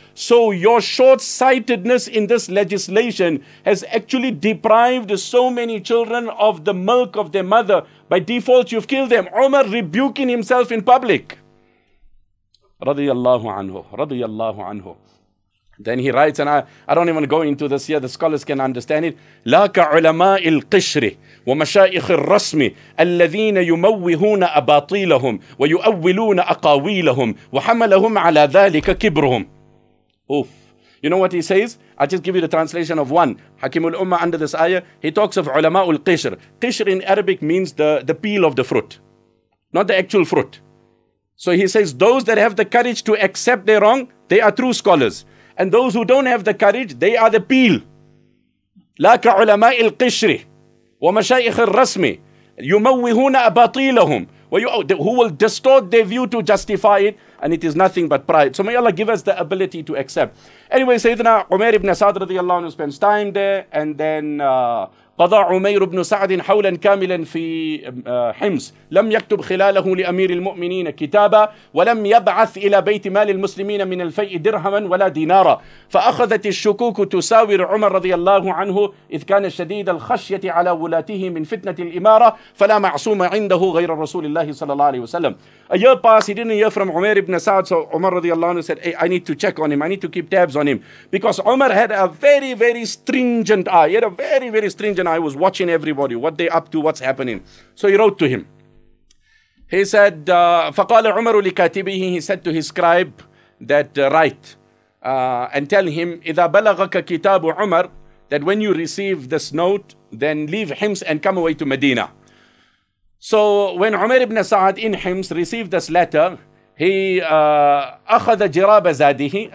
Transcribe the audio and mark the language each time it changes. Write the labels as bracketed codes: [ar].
[en] So your short-sightedness in this legislation has actually deprived so many children of the milk of their mother. By default, you've killed them. Umar rebuking himself in public. Radiyallahu anhu, radiyallahu anhu. Then he writes, and I don't even go into this here, the scholars can understand it. [ar] لا كعلماء القشر ومشايخ الرسم الذين يموهون أباطيلهم ويؤولون أقاويلهم وحملهم على ذلك كبرهم. [en] Oof. You know what he says? I'll just give you the translation of one. Hakim al-Umma under this ayah, he talks of [ar] علماء القشر. [en] Qishr in Arabic means the peel of the fruit, not the actual fruit. So he says, those that have the courage to accept their wrong, they are true scholars. And those who don't have the courage, they are the peel. [ar] لَا كَعُلَمَاءِ الْقِشْرِ وَمَشَائِخِ الرَّسْمِ يُمَوِّهُونَ أَبَاطِيلَهُمْ [en] Who will distort their view to justify it, and it is nothing but pride. So may Allah give us the ability to accept. Anyway, Sayyidina Umair ibn Sa'd radiallahu anhu spends time there, and then [ar] قضى عمير بن سعد حولا كاملا في حمص لم يكتب خلاله لأمير المؤمنين كتابا ولم يبعث إلى بيت مال المسلمين من الفيء درهما ولا دينارا فأخذت الشكوك تساور عمر رضي الله عنه إذ كان شديد الخشية على ولاته من فتنة الإمارة فلا معصوم عنده غير رسول الله صلى الله عليه وسلم. [en] A year passed, he didn't hear from عمير بن سعد. So عمر رضي الله عنه said, hey, I need to check on him, I need to keep tabs on him, because عمر had a very very stringent eye. He had a very very stringent, and I was watching everybody, what they up to, what's happening. So he wrote to him. He said, [ar] فَقَالَ عُمَرُ لِكَاتِبِهِ. [en] He said to his scribe, that write and tell him, [ar] إِذَا بَلَغَكَ كِتَابُ عُمَرُ, [en] that when you receive this note, then leave Hims and come away to Medina. So when Umar ibn Sa'ad in Hims received this letter, he [ar] أَخَذَ جِرَابَ زَادِهِ.